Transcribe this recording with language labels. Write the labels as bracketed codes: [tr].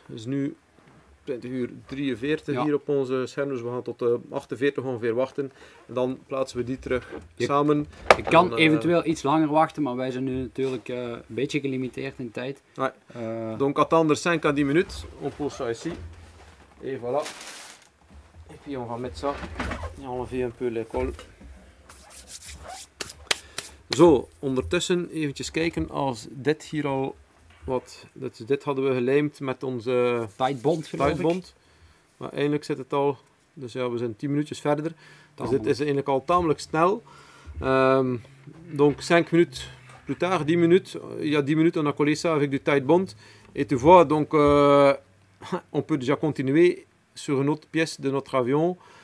[nl] Het is nu 20:43 hier op onze scherm, dus we gaan tot 48 ongeveer wachten. En dan plaatsen we die terug samen. Ik kan eventueel iets langer wachten, maar wij zijn nu natuurlijk een beetje gelimiteerd in tijd. Ouais. [fr] Donc attendre 5 à 10 minutes, on pose ça ici. Et voilà. Et puis on va mettre ça. Et on enlever un peu les colles. [nl] Zo, ondertussen eventjes kijken als dit hier al wat. Dus dit hadden we gelijmd met onze tightbond. Maar eindelijk zit het al. Dus ja, we zijn 10 minuutjes verder. Dus dit is eigenlijk al tamelijk snel. [fr] Donc 5 minuten plus tard, 10 minuten. [nl] Ja, 10 minuten en dan [fr] collé ça avec du tightbond. Et tu vois, donc on peut déjà continuer sur une autre pièce de notre avion.